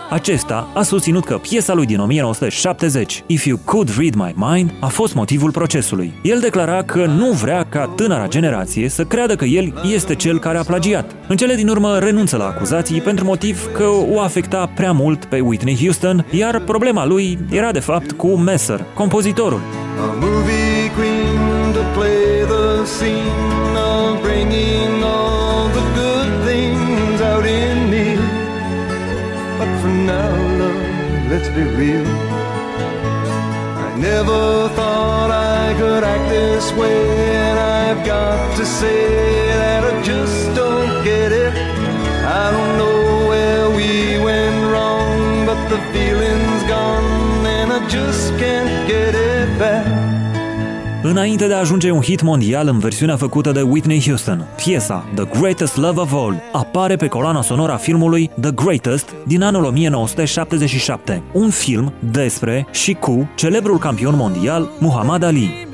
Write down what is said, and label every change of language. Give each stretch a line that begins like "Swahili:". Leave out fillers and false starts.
Romanian: Acesta a susținut că piesa lui din 1970, If You Could Read My Mind, a fost motivul procesului. El declara că nu vrea ca tânăra generație să creadă că el este cel care a plagiat. În cele din urmă renunță la acuzații pentru motiv că o afecta prea mult pe Whitney Houston, iar problema lui era de fapt cu Messer, compozitorul.
English: A movie queen to play the scene of bringing all the good things out in me. But for now, love, let's be real. I never thought I could act this way, and I've got to say that I just don't get it. I don't know where we went wrong, but the feeling's gone, and I just can't get it back.
Romanian: Înainte de a ajunge un hit mondial în versiunea făcută de Whitney Houston, piesa The Greatest Love of All apare pe coloana sonoră a filmului The Greatest din anul 1977, un film despre și cu celebrul campion mondial Muhammad Ali.